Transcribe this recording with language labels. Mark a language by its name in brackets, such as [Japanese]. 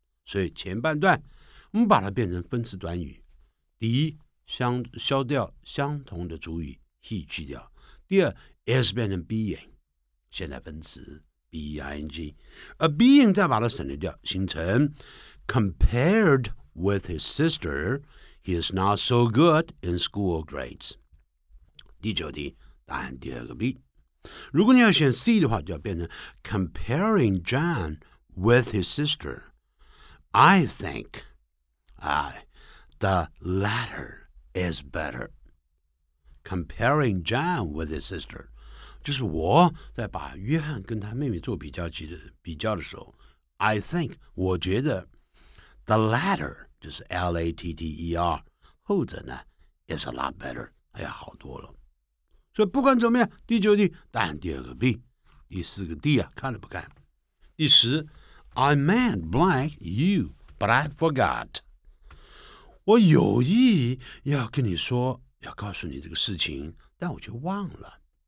[Chinese] 所以前半段我们把它变成分词短语，第一消掉相同的主语 he 去掉，第二 is 变成 being 现在分词 being， 而 being 再把它省掉形成 [English] compared with his sister he is not so good in school grades。 [Chinese] 第九题答案第二个 B， 如果你要选 C 的话就要变成 [English] comparing John with his sister I think the latter is better， comparing John with his sister [Chinese] 就是我在把约翰跟他妹妹做比较的时候， [English] I think [Chinese] 我觉得 [English] the latter [Chinese] 就是 latter 后者呢 [English] is a lot better， [Chinese] 哎呀好多了。所以不管怎么样，第九题答案第二个 B， 第四个 D 啊，看了不看。第十 [English] ，I meant blank you， but I forgot。 [Chinese] 我有意要跟你说，要告诉你这个事情，但我却忘了。